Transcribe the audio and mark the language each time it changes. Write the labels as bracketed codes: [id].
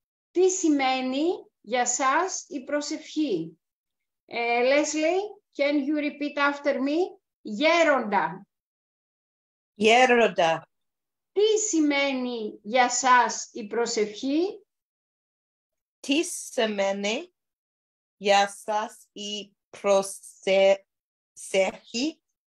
[el] Τι σημαίνει για σας η προσευχή? [en] Leslie, can you repeat after me? [el] Γέροντα. Γέροντα. Τι σημαίνει για σας η προσευχή? Τι σημαίνει για σας η προσευχή?